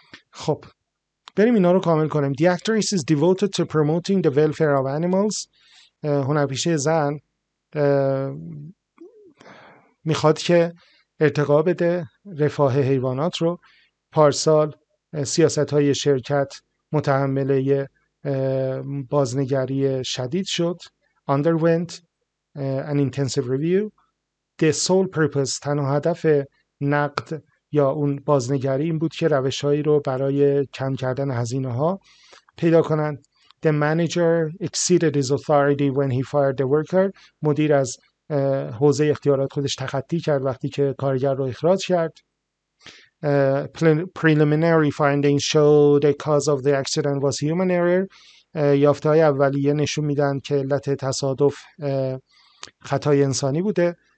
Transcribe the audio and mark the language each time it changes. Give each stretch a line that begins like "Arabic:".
Persian: خب بریم اینا رو کامل کنیم.
English: The actress is devoted to promoting the welfare of animals.
Persian: هنرپیشه زن میخواد که ارتقا بده رفاه حیوانات رو. پارسال سیاست های شرکت متحمل بازنگری شدید شد،
English: underwent an intensive review. The sole purpose،
Persian: تنها هدف نقد یا اون بازنگری این بود که روشهایی رو برای کم کردن هزینه ها پیدا کنند.
English: The manager exceeded his authority when he fired the worker.
Persian: مدیر از حوزه اختیارات خودش تخطی کرد وقتی که کارگر رو اخراج کرد.
English: Preliminary findings showed the cause of the accident was human error.
Persian: یافته های اولیه نشون میدن که علت تصادف خطای انسانی بوده.